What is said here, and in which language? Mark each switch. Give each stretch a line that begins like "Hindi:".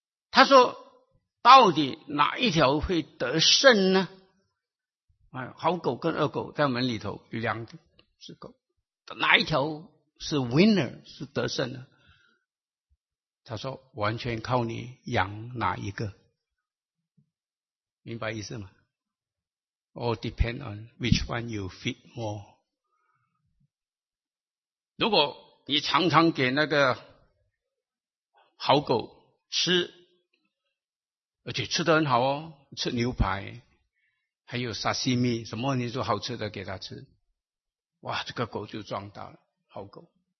Chinese: 他说到底哪一条会得胜呢？好狗跟恶狗在我们里头有两只狗，哪一条是 winner， 是得胜呢？他说完全靠你养哪一个，明白意思吗？
English: All depend on which one you feed more。
Chinese: 如果你常常给那个好狗吃，而且吃得很好哦，吃牛排还有沙西米什么，你说好吃的给它吃，哇，这个狗就壮大了，好狗。